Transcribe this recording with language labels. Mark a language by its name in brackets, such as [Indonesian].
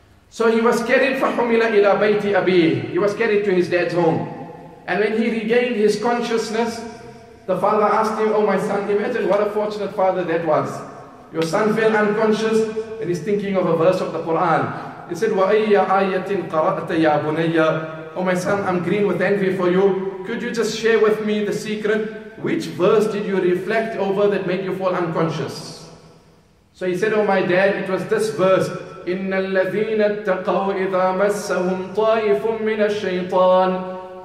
[English] So he was carried, [Arabic] فَحُمِلَ إِلَىٰ بَيْتِ أَبِيهِ. [English] He was carried to his dad's home. And when he regained his consciousness, the father asked him, oh my son, imagine what a fortunate father that was. Your son fell unconscious and he's thinking of a verse of the Quran. He said, [Arabic] وَأَيَّ آيَةٍ قَرَأْتَ يَا بُنَيَّ. [English] Oh my son, I'm green with envy for you. Could you just share with me the secret? Which verse did you reflect over that made you fall unconscious? So he said, oh my dad, it was this verse. [Arabic] إِنَّ الَّذِينَ اتَّقَوْا إِذَا مَسَّهُمْ طَائِفٌ مِّنَ الشَّيْطَانِ.